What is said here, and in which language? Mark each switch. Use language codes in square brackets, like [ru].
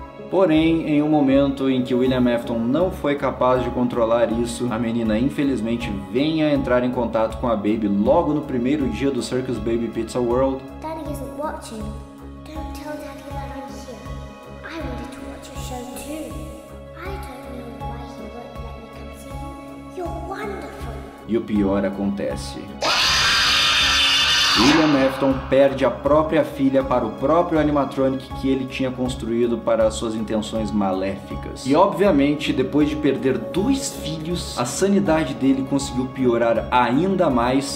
[pt] Porém, em um momento em que William Afton não foi capaz de controlar isso, a menina infelizmente vem a entrar em contato com a Baby logo no primeiro dia do Circus Baby Pizza World. [en] Daddy isn't watching. Don't tell Daddy that I'm here. I wanted to watch your show too. I don't know why he won't let me come see you. You're wonderful. [pt] E o pior acontece. William Afton perde a própria filha para o próprio animatronic que ele tinha construído para as suas intenções maléficas. E obviamente, depois de perder dois filhos, a sanidade dele conseguiu piorar ainda mais.